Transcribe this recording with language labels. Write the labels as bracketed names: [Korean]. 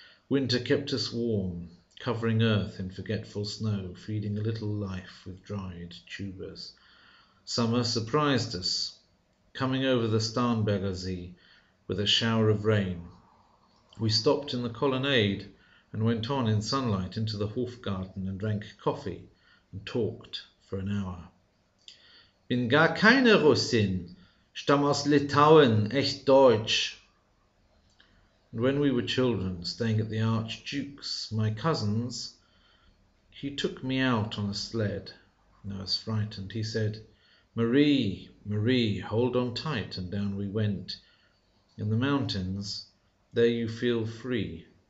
[English] Winter kept us warm, covering earth in forgetful snow, feeding a little life with dried tubers. Summer surprised us, coming over the Starnberger See with a shower of rain. We stopped in the colonnade and went on in sunlight into the Hofgarten and drank coffee and talked for an hour. [German] Bin gar keine Russin, stamm aus Litauen, echt Deutsch. [English] And when we were children, staying at the Archduke's, my cousin's, he took me out on a sled. And I was frightened. He said, Marie, Marie, hold on tight. And down we went in the mountains. There you feel free.